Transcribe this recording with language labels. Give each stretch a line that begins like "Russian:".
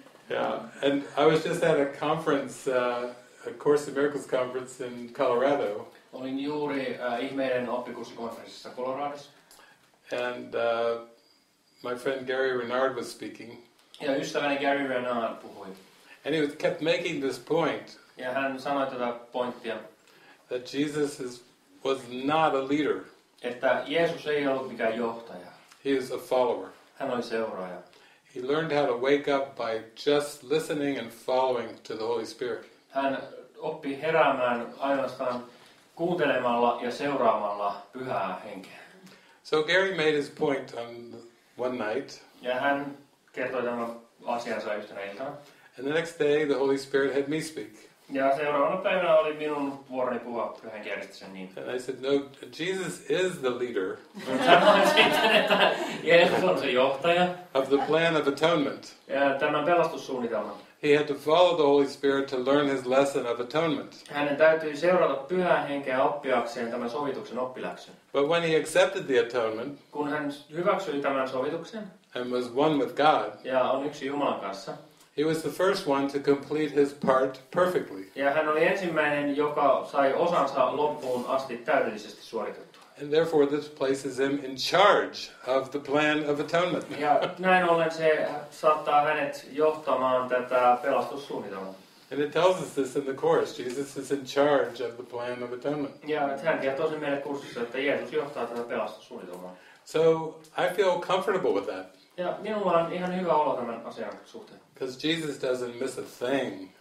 English: Yeah, and I was just at a conference, a Course in Miracles conference in Colorado.
Finnish: Olin juuri ihmeiden oppikurssikonferenssissa Coloradossa.
English: And my friend Gary Renard was speaking.
Finnish: Ja ystäväni Gary Renard puhui.
English: And he kept making this point.
Finnish: Ja hän sanoi tätä pointtia.
English: That Jesus was not a leader.
Finnish: Että Jeesus ei ollut mikään johtaja.
English: He is a follower.
Finnish: Hän oli seuraaja.
English: He learned how to wake up by just listening and following to the Holy Spirit.
Finnish: Hän oppi heräämään ainoastaan kuuntelemalla ja seuraamalla Pyhää Henkeä.
English: So Gary made his point on one night.
Finnish: Ja hän kertoi tämän asiansa yhtenä iltana.
English: And the next day the Holy Spirit had me speak.
Finnish: Ja seuraavana päivänä oli minun vuoroni puhua Pyhän Kirjastossa niin.
English: And I said, no, Jesus is the leader.
Finnish: Sanoin sitten, että Jeesus on se johtaja.
English: Of the plan of atonement.
Finnish: Ja tämän pelastussuunnitelman.
English: He had to follow the Holy Spirit to learn his lesson of atonement.
Finnish: Hänen täytyi seurata Pyhää Henkeä oppiakseen tämän sovituksen oppiläksen.
English: But when he accepted the atonement.
Finnish: Kun hän hyväksyi tämän sovituksen.
English: And was one with God.
Finnish: Ja on yksi Jumalan kanssa.
English: He was the first one to complete his part perfectly.
Finnish: Ja hän oli ensimmäinen, joka sai osansa loppuun asti täydellisesti suoritettua.
English: And therefore this places him in charge of the plan of atonement.
Finnish: Ja näin ollen se saattaa hänet johtamaan tätä pelastussuunnitelmaa.
English: And it tells us this in the course. Jesus is in charge of the plan of atonement.
Finnish: Ja hän kertoo sen meille kurssissa, että Jeesus johtaa tätä pelastussuunnitelmaa.
English: So I feel comfortable with that.
Finnish: Ja minulla on ihan hyvä olo tämän asian suhteen.
English: Because Jesus doesn't miss a thing.